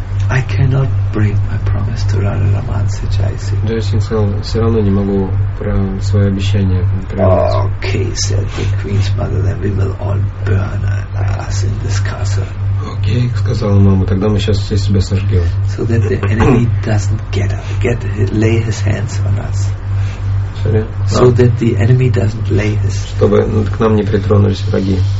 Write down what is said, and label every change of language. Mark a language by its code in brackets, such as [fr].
[en] I cannot break my promise to Radha Raman, said Jai Singh. [ru] Jai Singh сказал, все равно не могу свое обещание принять. [en] Okay, said the queen's mother, then we will all burn us in this castle. [ru] Okay, сказала мама, тогда мы сейчас все себя сожгем. [en] So that the enemy doesn't get lay his hands on us. So that the enemy doesn't lay his. [ru] Чтобы к нам не притронулись враги.